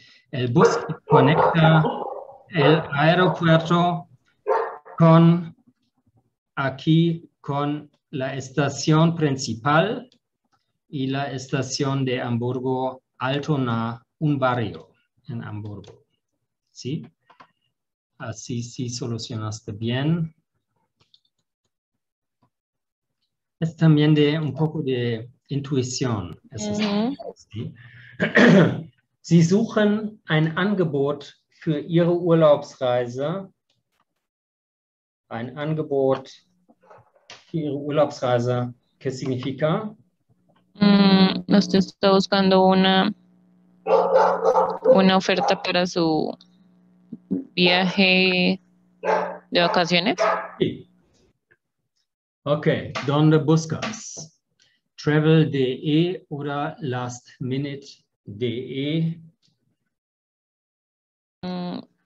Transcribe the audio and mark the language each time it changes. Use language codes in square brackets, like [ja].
[es] El bus que conecta el aeropuerto con aquí, con la estación principal y la estación de Hamburgo, Altona, un barrio en Hamburgo, ¿sí? Así sí solucionaste bien. Es también de un poco de Intuition. Es mhm. [de] Sie suchen ein Angebot für Ihre Urlaubsreise. Ein Angebot für Ihre Urlaubsreise. [es] ¿Qué significa? Usted está buscando una oferta para su viaje de vacaciones. Sí. Okay, ¿dónde buscas? [de] Travel.de oder lastminute.de? Mm,